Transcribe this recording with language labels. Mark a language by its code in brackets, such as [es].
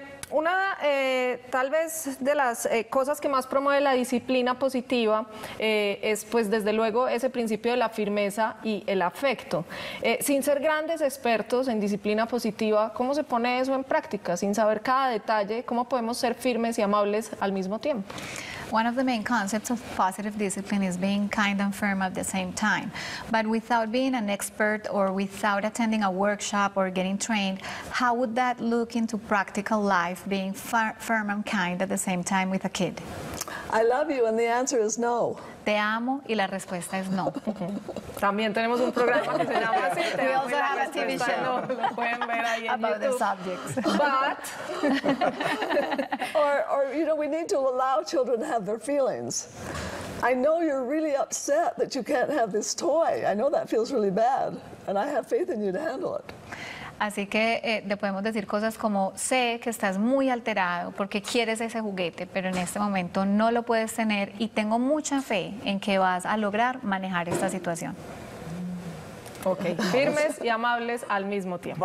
[es] Una de las cosas que más promueve la disciplina positiva es pues desde luego ese principio de la firmeza y el afecto. Sin ser grandes expertos en disciplina positiva, ¿cómo se pone eso en práctica? Sin saber cada detalle, ¿cómo podemos ser firmes y amables al mismo tiempo? [en] One of the main concepts of positive discipline is being kind and firm at the same time. But without being an expert or without attending a workshop or getting trained, how would that look into practical life, being firm and kind at the same time with a kid? I love you, and the answer is no. [es] Te amo y la respuesta es no. También tenemos un programa que se llama así. [en] We also have a TV show. [es] No, lo pueden ver ahí en [en] YouTube. About the subjects. But, or you know, we need to allow children to have their feelings. I know you're really upset that you can't have this toy. I know that feels really bad. And I have faith in you to handle it. [es] Así que le podemos decir cosas como, sé que estás muy alterado porque quieres ese juguete, pero en este momento no lo puedes tener y tengo mucha fe en que vas a lograr manejar esta situación. Ok, firmes y amables al mismo tiempo.